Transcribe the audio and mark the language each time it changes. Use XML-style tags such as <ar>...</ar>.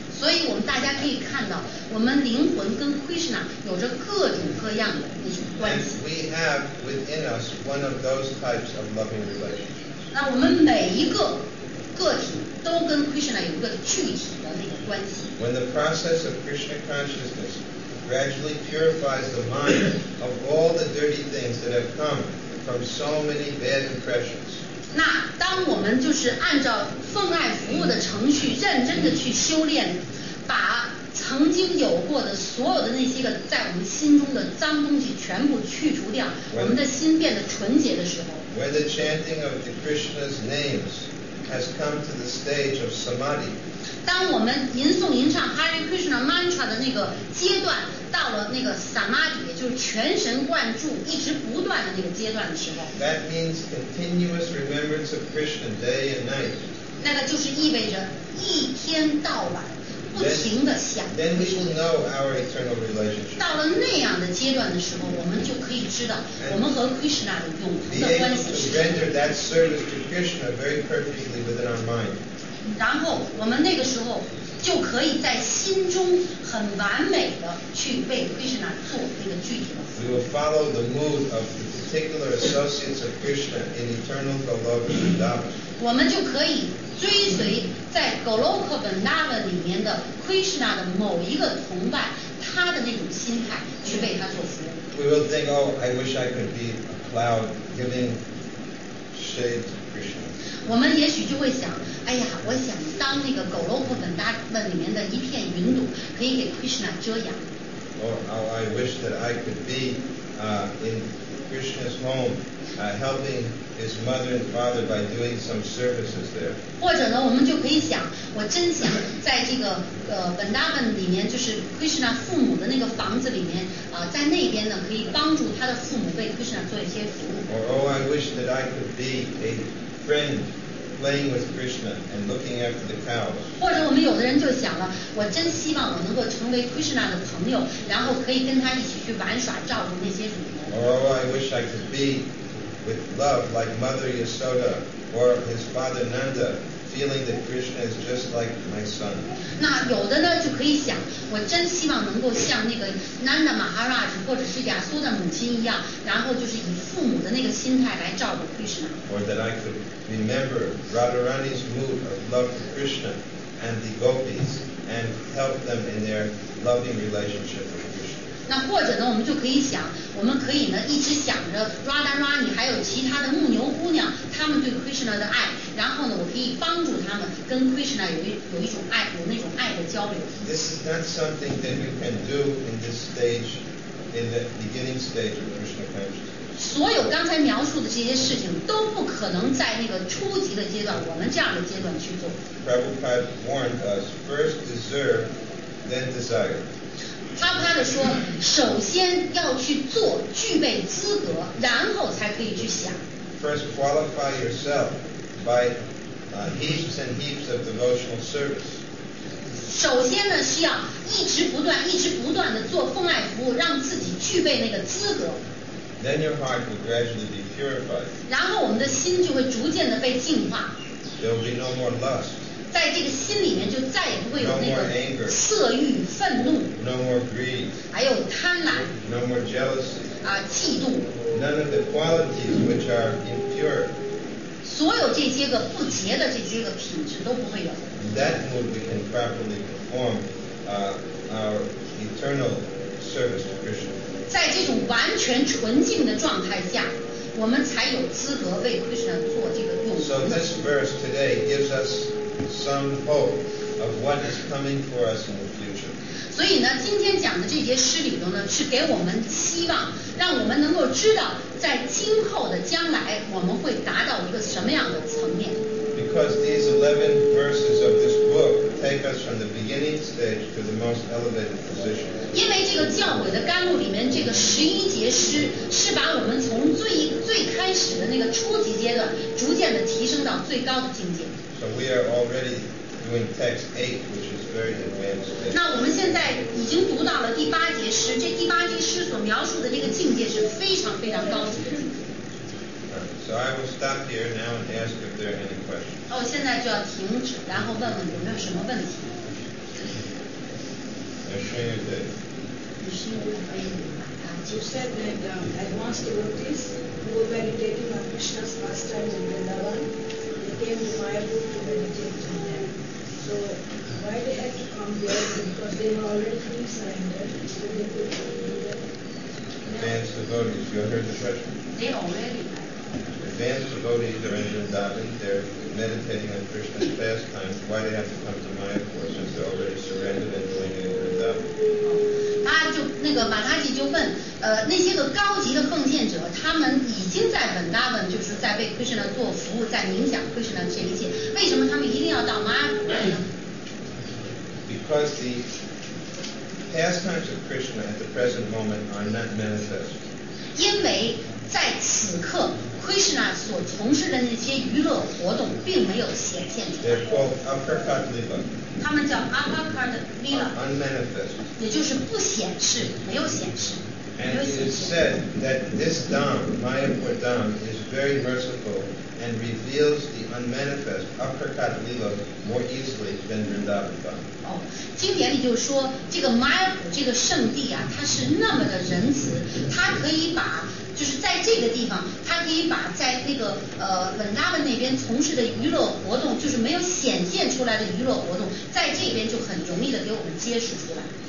<zh>所以我们大家可以看到，我们灵魂跟 Krishna 有着各种各样的一种关系。</zh> <en>And we have within us one of those types of loving relationships.</en> <zh>那我们每一个个体都跟 Krishna 有一个具体的那个关系。</zh> <en>When the process of Krishna consciousness gradually purifies the mind of all the dirty things that have come from so many bad impressions.</en> <zh>那当我们就是按照奉爱服务的程序认真的去修炼，把曾经有过的所有的那些个在我们心中的脏东西全部去除掉，我们的心变得纯洁的时候，</zh> <en>When the chanting of the Krishna's names has come to the stage of samadhi，</en> <zh>当我们吟诵吟唱 Hare Krishna mantra 的那个阶段到了那个 samadhi， 也就是全神贯注一直不断的那个阶段的时候，</zh> <en>That means continuous remembrance of Krishna day and night，</en> <zh>那个就是意味着一天到晚不停的想</zh> <en>then we will know our eternal relationship，</en> <zh>到了那样的阶段的时候，我们就可以知道我们和 Krishna 的永恒的关系是</zh> <en>render that service to Krishna very perfectly within our mind，</en> <zh>然后我们那个时候就可以在心中很完美的去为 Krishna 做那个具体的。</zh> <en>We will follow the mood of the particular associates of Krishna in eternal Goloka Vrindavan.</en> <zh>我们就可以追随在 Goloka Vrindavan 里面的 Krishna 的某一个同伴，他的那种心态去为他做服务。</zh> <en>We will think, oh, I wish I could be a cloud giving shade to Krishna.</en> <zh>我们也许就会想，哎呀，我想当那个狗肉部分那里面的一片云朵，可以给 Krishna 遮阳。</zh> <en>Or how I wish that I could be in Krishna's home, helping his mother and father by doing some services there.</en> <zh>或者呢，我们就可以想，我真想在这个Vrindavan 里面，就是 Krishna 父母的那个房子里面，在那边呢，可以帮助他的父母为 Krishna 做一些服务。</zh> <en>Or I wish that I could be a friend playing with Krishna and looking after the cows.</en> <zh>或者我们有的人就想了，我真希望我能够成为 Krishna 的朋友，然后可以跟他一起去玩耍，照顾那些什么。</zh> <en>Or I wish I could be with love like Mother Yasoda or his father Nanda, feeling that Krishna is just like my son.</en> <zh>那有的呢就可以想，我真希望能够像那个 Nanda Maharaj 或者是亚苏的母亲一样，然后就是以父母的那个心态来照顾 Krishna。</zh> <en>Or that I could remember Radharani's mood of love for Krishna and the gopis and help them in their loving relationship with Krishna。</en> <zh>那或者呢，我们就可以想，我们可以呢一直想着 Radharani 还有其他的牧牛姑娘，他们对 Krishna 的爱，然后呢，我可以帮助他们跟 Krishna 有一种爱，有那种爱的交流。</zh> <en>This is not something that you can do in this stage, in the beginning stage of Krishna consciousness.</en> <zh>所有刚才描述的这些事情都不可能在那个初级的阶段，我们这样的阶段去做。</zh> <en>Prabhupada warned us: first deserve, then desire.</en> <zh>帕帕的说，首先要去做，具备资格，然后才可以去想。</zh> <en>First qualify yourself by heaps and heaps of devotional service.</en> <zh>首先呢，需要一直不断的做奉爱服务，让自己具备那个资格。</zh> <en>Then your heart will gradually be purified.</en> <zh>然后我们的心就会逐渐的被净化。</zh> <en>There will be no more lust.</en> <zh>在这个心里面就再也不会有那个色欲、愤怒，</zh> <en>no more greed,</en> <zh>还有贪婪，</zh> <en>no more jealousy,</en> <zh>啊，嫉妒。</zh> <en>None of the qualities which are impure,</en> <zh>所有这些个不洁的这些个品质都不会有。</zh> <en>That mood we can properly perform our eternal service to Krishna.</en> <zh>在这种完全纯净的状态下，我们才有资格为 Krishna 做这个用。</zh> <en>So this verse today gives us. Some hope of what is coming for us in the future.</en> <zh>所以呢，今天讲的这节诗里头呢，是给我们希望，让我们能够知道，在今后的将来，我们会达到一个什么样的层面。</zh> <en>Because these 11 verses of this book take us from the beginning stage to the most elevated position.</en> <zh>因为这个教诲的甘露里面这个十一节诗，是把我们从最开始的那个初级阶段，逐渐的提升到最高的境界。</zh> <en>So we are already doing text 8, which is very advanced.</en> <zh>那我们现在已经读到了第八节诗，这第八节诗所描述的这个境界是非常非常高级的。</zh> <en>So I will stop here now and ask if there are any questions.</en> <zh>哦，现在就要停止，然后问问有没有什么问题。</zh> <en>You said that advanced devotees who were meditating on Krishna's pastimes in Vrindavan, they came to Mayapur to meditate on them. So why they had to come there? Because they were already fully surrendered, so they could do that. Advanced devotees, you heard the question? They already had. Advanced devotees are in Vrindavan, they're meditating on Krishna's pastimes. Why they have to come to Mayapur since they're already surrendered and doing it in Vrindavan?</en> <zh>他就那个马塔吉就问，那些个高级的奉献者，他们已经在本达文，就是在为 Krishna 做服务，在冥想 Krishna 这一切，为什么他们一定要到马尔谷呢</zh> <en>？Because the pastimes of Krishna at the present moment are not manifest.</en> <zh>因为在此刻 ，Krishna 所从事的那些娱乐活动并没有显现出来。</zh> <en>They're called apakart lila.</en> <zh>他们叫 apakart lila.</zh> <en>Unmanifest.</en> <zh>也就是不显示，没有显示。</zh> <en>And it is said that this dham, Mayapur dham, is very merciful and reveals the unmanifest apakart lila more easily than Vrindavan dham.</en> <zh>经典里就说，这个 Mayapur 这个圣地啊，它是那么的仁慈，它可以把就是在这个地方，他可以把在那个文达文那边从事的娱乐活动，就是没有显现出来的娱乐活动，在这边就很容易的给我们揭示出来。</zh>